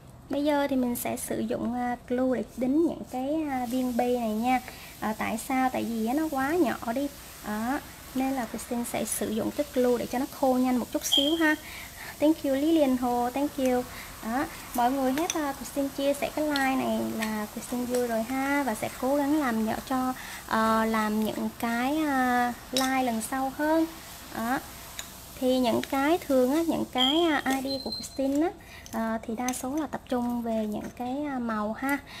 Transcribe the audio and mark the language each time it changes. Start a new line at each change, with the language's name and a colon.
Vietnamese: Bây giờ thì mình sẽ sử dụng glue để đính những cái viên bi này nha. Tại sao? Tại vì nó quá nhỏ đi. Nên là Christine sẽ sử dụng cái glue để cho nó khô nhanh một chút xíu ha.
English: Thank you Lilian Hồ, thank you.
Vietnamese: Mọi người hết Christine chia sẻ cái like này là Christine vui rồi ha. Và sẽ cố gắng làm nhỏ cho làm những cái like lần sau hơn. Thì những cái thường á, những cái ID của Christine á, thì đa số là tập trung về những cái màu ha.